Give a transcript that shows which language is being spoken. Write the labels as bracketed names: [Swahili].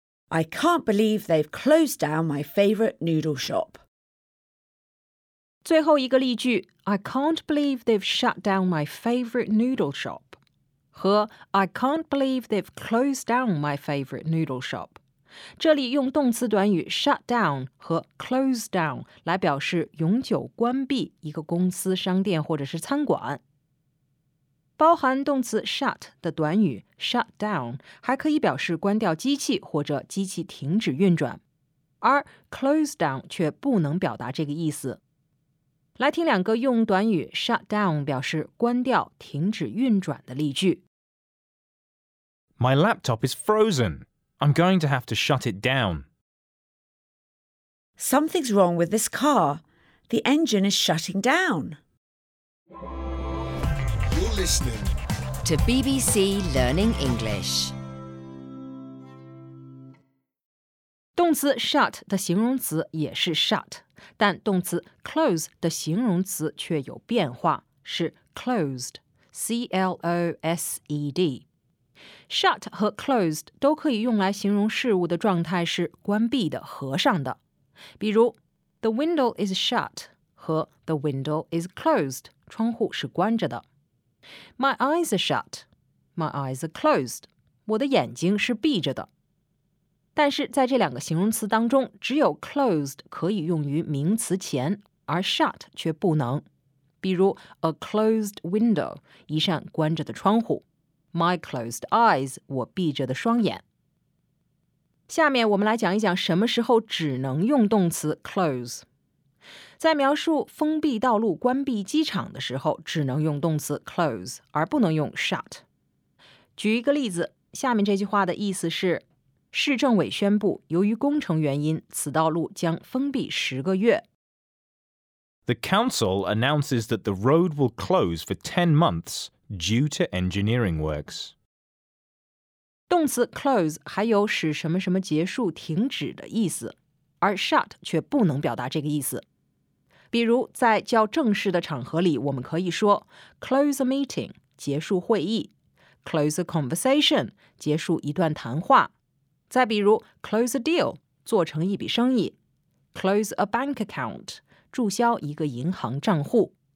[English] I can't believe they've closed down my favorite noodle shop. [Chinese] 最后一个例句 [English] I can't believe they've shut down my favorite noodle shop 和 I can't believe they've closed down my favorite noodle shop. [Chinese] 这里用动词短语 shut down 和 close down 来表示永久关闭一个公司、商店或者是餐馆。包含动词 shut 的短语 shut down 还可以表示关掉机器或者机器停止运转，而 close down 却不能表达这个意思。来听两个用短语 shut down 表示关掉、停止运转的例句。 [English] My laptop is frozen. I'm going to have to shut it down. Something's wrong with this car. The engine is shutting down. Listening. To BBC Learning English. [Chinese] 动词 shut 的形容词也是 shut， 但动词 close 的形容词却有变化，是 closed， C-L-O-S-E-D。 Shut 和 closed 都可以用来形容事物的状态是关闭的、合上的。 [English] 比如 The window is shut 和 The window is closed， [Chinese] 窗户是关着的。 [English] My eyes are shut. My eyes are closed. [Chinese] 我的眼睛是闭着的。但是在这两个形容词当中，只有 closed 可以用于名词前，而 shut 却不能。比如 [English] a closed window， [Chinese] 一扇关着的窗户。 [English] My closed eyes， [Chinese] 我闭着的双眼。下面我们来讲一讲什么时候只能用动词 close。在描述封闭道路、关闭机场的时候，只能用动词 close， 而不能用 shut。举一个例子，下面这句话的意思是：市政委宣布，由于工程原因，此道路将封闭十个月。 [English] The council announces that the road will close for 10 months due to engineering works. [Chinese] 动词 close 还有使什么什么结束、停止的意思，而 shut 却不能表达这个意思。比如在较正式的场合里，我们可以说 close a meeting 结束会议， close a conversation 结束一段谈话，再比如 close a deal 做成一笔生意， close a bank account 注销一个银行账户。